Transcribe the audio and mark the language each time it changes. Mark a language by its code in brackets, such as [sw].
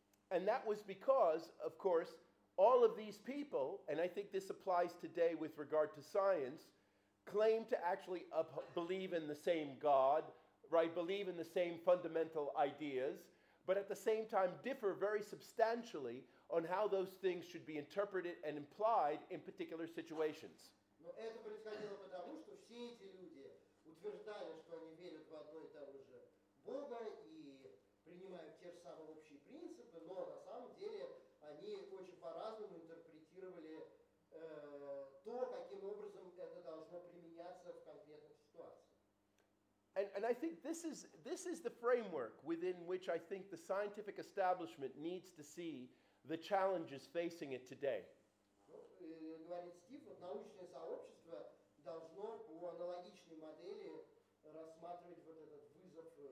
[en] And that was because, of course, all of these people, and I think this applies today with regard to science, claim to actually believe in the same God, right, believe in the same fundamental ideas, but at the same time differ very substantially on how those things should be interpreted and implied in particular situations. [ru] Но это происходило потому, что все эти люди утверждали, что они верят в одно и того же Бога и принимают те же самые общие принципы, но на самом деле они очень по-разному интерпретировали то, каким образом это должно применяться в конкретных ситуациях. [en] And I think this is the framework within which I think the scientific establishment needs to see the challenges facing it today. [ru] Ну, говорит Стив, вот научное сообщество должно по аналогичной модели рассматривать вот этот вызов.